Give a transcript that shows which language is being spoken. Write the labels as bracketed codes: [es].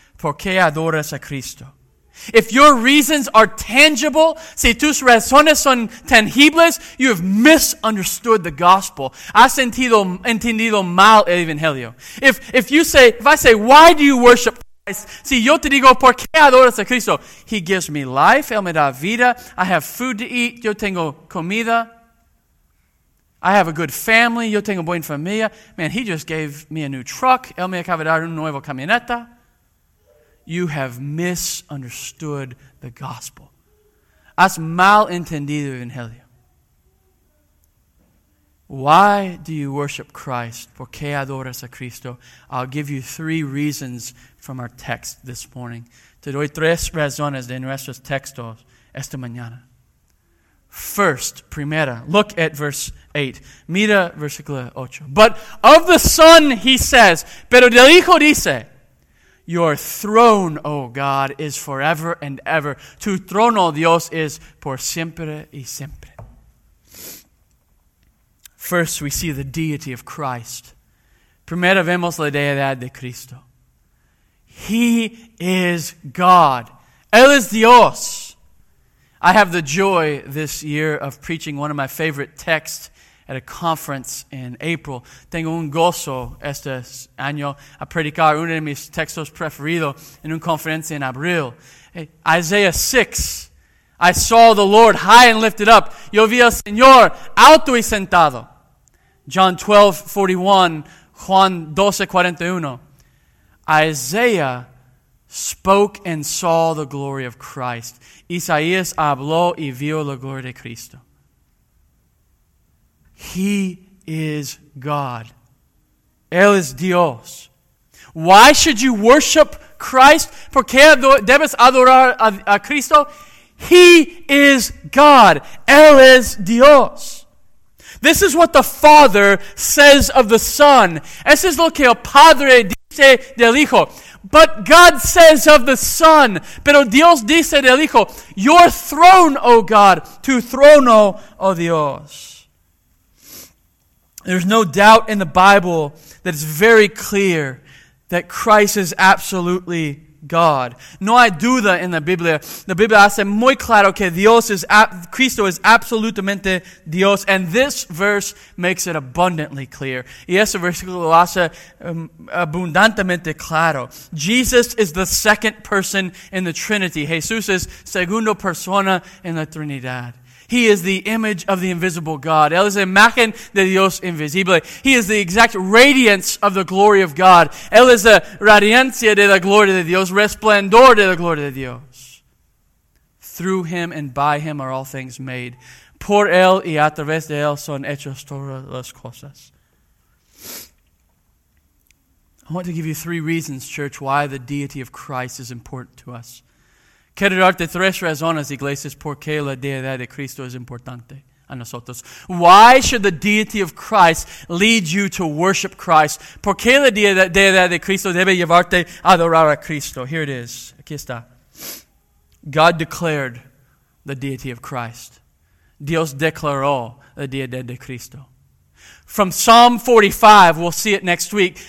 [es] ¿Por qué adoras a Cristo? [en] If your reasons are tangible, [es] si tus razones son tangibles, [en] you have misunderstood the gospel. [es] Has entendido mal el evangelio. [en] If I say, why do you worship Christ? [es] Si yo te digo, ¿por qué adoras a Cristo? [en] He gives me life, [es] él me da vida, [en] I have food to eat, [es] yo tengo comida, [en] I have a good family, [es] yo tengo buena familia. [en] Man, he just gave me a new truck, [es] él me acaba de dar una nueva camioneta. [en] You have misunderstood the gospel. [es] Has mal entendido el evangelio. [en] Why do you worship Christ? [es] ¿Por qué adoras a Cristo? [en] I'll give you three reasons from our text this morning. [es] Te doy tres razones de nuestros textos esta mañana. [en] First, [es] primera, [en] look at verse 8. [es] Mira versículo 8. [en] But of the Son, he says, [es] pero del Hijo dice, [en] your throne, O God, is forever and ever. [es] Tu trono, Dios, is por siempre y siempre. [en] First, we see the deity of Christ. [es] Primero vemos la deidad de Cristo. [en] He is God. [es] Él es Dios. [en] I have the joy this year of preaching one of my favorite texts at a conference in April. [es] Tengo un gozo este año a predicar uno de mis textos preferidos en una conferencia en abril. [en] Hey, Isaiah 6. I saw the Lord high and lifted up. [es] Yo vi al Señor alto y sentado. [en] John 12:41. Juan 12:41. Isaiah spoke and saw the glory of Christ. [es] Isaías habló y vio la gloria de Cristo. [en] He is God. [es] Él es Dios. [en] Why should you worship Christ? [es] ¿Por qué debes adorar a Cristo? [en] He is God. [es] Él es Dios. [en] This is what the Father says of the Son. [es] Eso es lo que el Padre dice del Hijo. [en] But God says of the Son, [es] pero Dios dice del Hijo, [en] your throne, O God, [es] tu trono, O Dios. [en] There's no doubt in the Bible that it's very clear that Christ is absolutely God. [es] No hay duda en la Biblia. La Biblia hace muy claro que Cristo es absolutamente Dios. [en] And this verse makes it abundantly clear. [es] Y ese versículo lo hace abundantemente claro. [en] Jesus is the second person in the Trinity. [es] Jesús es segundo persona en la Trinidad. [en] He is the image of the invisible God. [es] Él es imagen de Dios invisible. [en] He is the exact radiance of the glory of God. [es] Él es la radiancia de la gloria de Dios, resplandor de la gloria de Dios. [en] Through him and by him are all things made. [es] Por él y a través de él son hechas todas las cosas. [en] I want to give you three reasons, church, why the deity of Christ is important to us. [es] Quiero darte tres razones, iglesias, por qué la deidad de Cristo es importante a nosotros. [en] Why should the deity of Christ lead you to worship Christ? [es] Por qué la deidad de Cristo debe llevarte a adorar a Cristo? [en] Here it is. [es] Aquí está. [en] God declared the deity of Christ. [es] Dios declaró la deidad de Cristo. [en] From Psalm 45, we'll see it next week.